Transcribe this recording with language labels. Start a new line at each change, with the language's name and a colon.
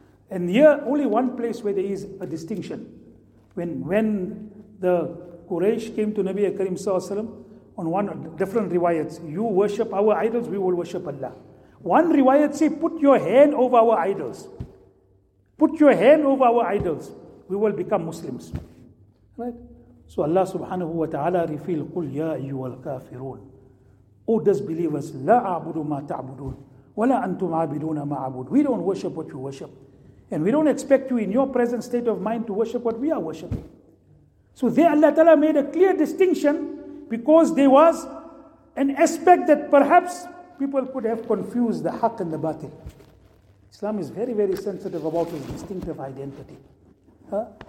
English: And here only one place where there is a distinction. When the Quraysh came to Nabi Akram Sallallahu Alaihi Wasallam on one different riwayats, you worship our idols, we will worship Allah. One riwayat say, put your hand over our idols. Put your hand over our idols, we will become Muslims. Right? So Allah subhanahu wa ta'ala revealed,
Arabic: قُلْ يَا أَيُّهَا الْكَافِرُونَ.
English: O disbelievers,
Arabic: لَا أَعْبُدُ مَا تَعْبُدُونَ وَلَا أَنْتُمْ عَابِدُونَ مَا عَبُدُ.
English: We don't worship what you worship. And we don't expect you in your present state of mind to worship what we are worshiping. So there Allah Ta'ala made a clear distinction because there was an aspect that perhaps people could have confused the haq and the batil. Islam is very, very sensitive about its distinctive identity. Huh?